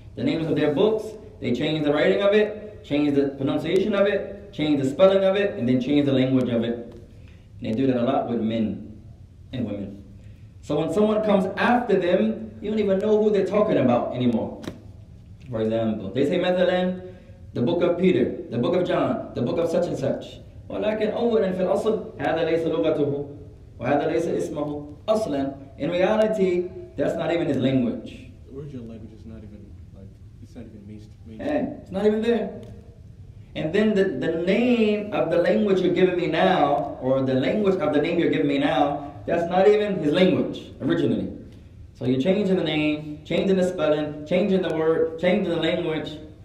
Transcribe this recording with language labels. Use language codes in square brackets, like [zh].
[en] The names of their books, they change the writing of it, change the pronunciation of it, change the spelling of it, and then change the language of it. And they do that a lot with men and women. So when someone comes after them, you don't even know who they're talking about anymore. For example, they say, مثلاً, the book of Peter, the book of John, the book of such and such. [ar] ولكن أولاً في الأصل هذا ليس لغته وهذا ليس اسمه أصلاً. [en] In reality, that's not even his language. The original language is not even, like, it's not even mainstream. Hey, it's not even there. And then the name of the language you're giving me now, or the language of the name you're giving me now, that's not even his language originally. So you're changing the name, changing the spelling, changing the word, changing the language.